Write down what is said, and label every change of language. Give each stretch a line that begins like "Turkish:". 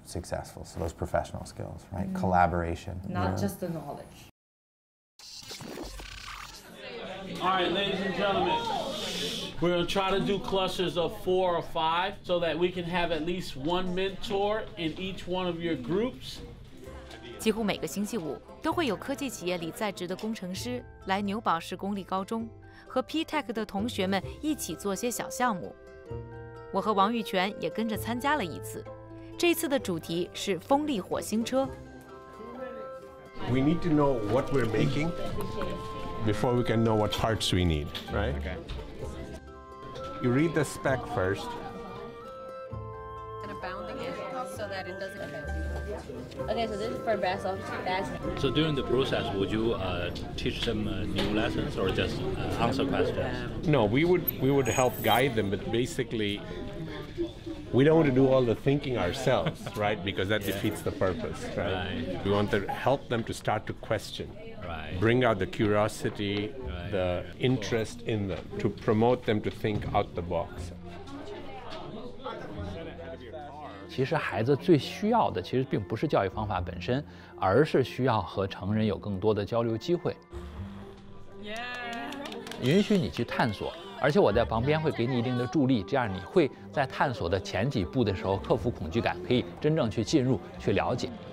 English: Successful, so those professional skills, right? Mm. Collaboration. Not just the knowledge. All right, ladies and gentlemen, we're going to try to do clusters of four or five so that we can have at least one mentor in each one of your groups.
Chinese: 几乎每个星期五都会有科技企业里在职的工程师来纽堡市公立高中和 P-TECH 的同学们一起做些小项目。我和王玉泉也跟着参加了一次。这次的主题是风力火星车。
English: We need to know what we're making before we can know what parts we need, right? Okay. You read the spec first. Kind of bounding it so that it doesn't. Okay, so this is for Basel. So during the process, would you teach them new lessons or just answer questions? No, we would help guide them, but basically. We don't want to do all the thinking ourselves, right? Because that defeats the purpose, right? We want to help them to start to question, bring out the curiosity, the interest in them, to promote them to think out the box.
Chinese: 其实孩子最需要的其实并不是教育方法本身，而是需要和成人有更多的交流机会。允许你去探索。而且我在旁边会给你一定的助力，这样你会在探索的前几步的时候克服恐惧感，可以真正去进入去了解。